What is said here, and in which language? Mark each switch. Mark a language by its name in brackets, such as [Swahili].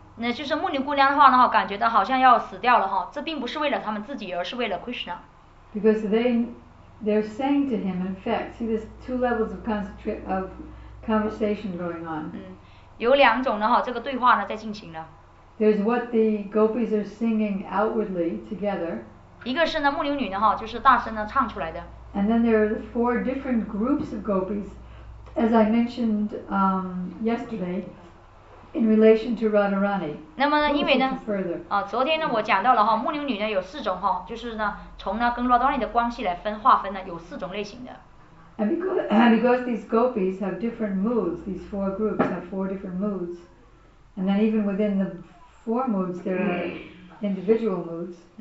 [Chinese] 那就是牧牛姑娘的话呢，感觉到好像要死掉了哈，这并不是为了他们自己，而是为了 Krishna。 [English] Because they're saying to him, in fact, see there's two levels of conversation going on. [Chinese] 嗯，有两种呢哈，这个对话呢在进行了。 [English] There's what the gopis are singing outwardly together. [Chinese] 一个是呢牧牛女呢哈，就是大声呢唱出来的。 [English] And then there are the four different groups of gopis, as I mentioned yesterday. In relation to Radharani. [Chinese] 那么呢，因为呢，啊，昨天呢，我讲到了哈，牧牛女呢有四种哈，就是呢，从呢跟 Radharani 的关系来分划分呢，有四种类型的。 [English] And because these gopis have different moods, these four groups have four different moods, and then even within the four moods there are individual moods.